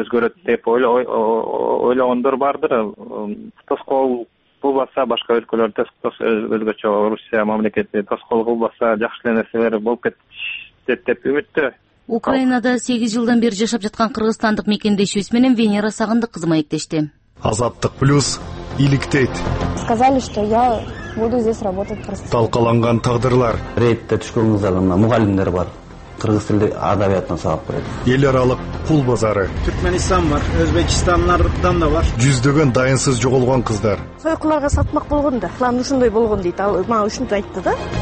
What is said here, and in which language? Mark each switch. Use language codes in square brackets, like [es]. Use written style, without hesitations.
[ky] өзгөрөт деп ойлогондор бардыр. Тоскоол кылбаса башка өлкөлөр өзгөчө, Орусия мамлекети тоскоол кылбаса жакшы эле нерселер болуп кетет деп үмүттө. Украинада 8 жылдан бери жашап жаткан кыргызстандык мекендешибиз менен Венера Сагындык кызы маектешти. Азаттык плюс иликтейт. [ru] Сказали, что я буду здесь работать просто. [ky] Талкаланган тагдырлар. Рейдте түшкөнүңүздөр, мына мугалимдер бар. Кыргыз тили адабиятына сабак берет. Эл аралык кул базары. Түркменистан бар, Өзбекстандардан да бар. Жүздөгөн дайынсыз жоголгон кыздар. Сойкуларга сатмак болгон да. Планы ушундай болгон дейт. Ал мага ушинтип айтты да.